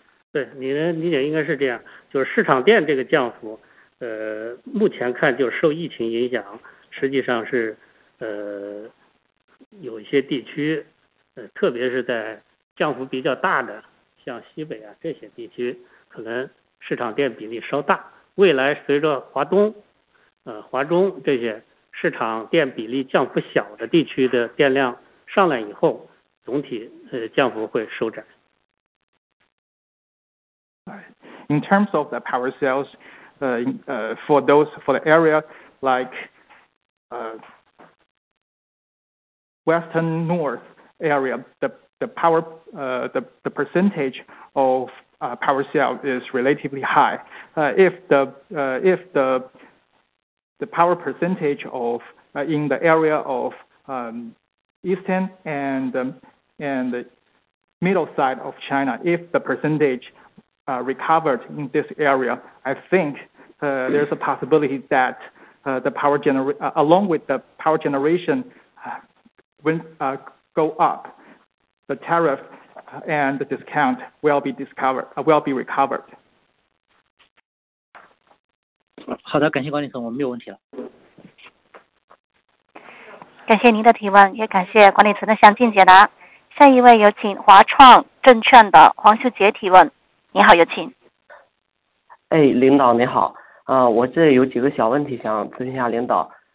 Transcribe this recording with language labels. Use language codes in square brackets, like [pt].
[zh] 对，你的理解应该是这样，就是市场电这个降幅，目前看就受疫情影响，实际上是有一些地区，特别是在降幅比较大的像西北啊这些地区，可能市场电比例稍大，未来随着华东华中这些市场电比例降幅小的地区的电量上来以后，总体降幅会收窄。 [en] In terms of the power sales, for the area like western north area, the percentage of power sale is relatively high. If the power percentage of in the area of eastern and the middle side of China, if the percentage recovered in this area, I think there's a possibility that along with the power generation go up, the tariff and the discount will be recovered. [zh] 好的，感谢管理层，我们没有问题了。感谢您的提问，也感谢管理层的详尽解答。下一位有请华创证券的黄秀杰提问。你好，有请。哎，领导你好，我这有几个小问题想咨询一下领导。